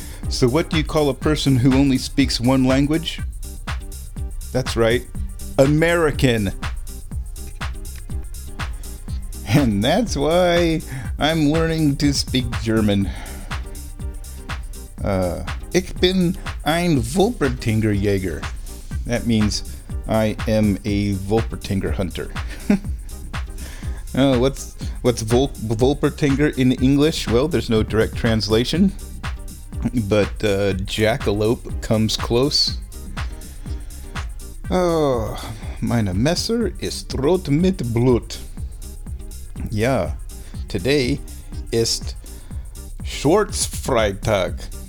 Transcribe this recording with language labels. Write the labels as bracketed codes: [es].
[en] So what do you call a person who only speaks one language? That's right, American. And that's why I'm learning to speak German. [de] Ich bin ein Wolpertinger Jäger. [en] That means I am a Wolpertinger hunter. what's Wolpertinger in English? Well, there's no direct translation, but jackalope comes close. [de] Oh, meine Messer ist rot mit Blut. [en] Yeah, today [de] ist Schwarzfreitag.